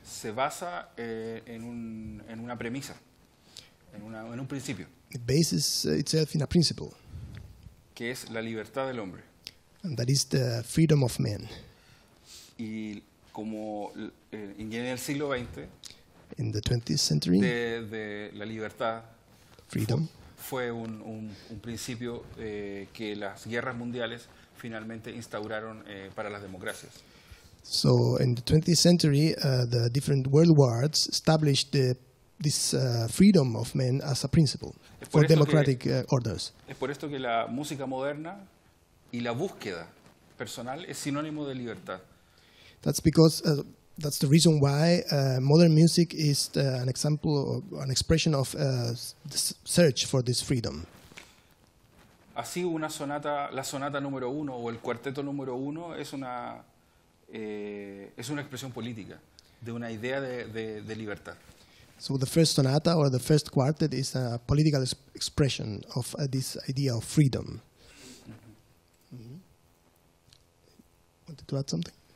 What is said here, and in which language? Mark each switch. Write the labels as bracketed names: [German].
[Spanish] Se basa en una premisa, en un principio. [English] It bases itself in a principle. [Spanish] Que es la libertad del hombre. [English] And that is the freedom of man. [Spanish] Y como en el siglo XX. [English] In the 20th century. [Spanish] De la libertad. [English] Freedom. [Spanish] Fue un principio que las guerras mundiales finalmente instauraron para las democracias. [English] So in the 20th century, the different world wars established this freedom of men as a principle for democratic orders. [Spanish] Es por esto que la música moderna y la búsqueda personal es sinónimo de libertad. [English] That's because that's the reason why modern music is an example or an expression of the search for this freedom. [Spanish] Así una sonata, la sonata número uno o el cuarteto número uno es una expresión política de una idea de libertad. [English] So the first sonata or the first quartet is a political expression of this idea of freedom. Mm-hmm. Wanted to add something?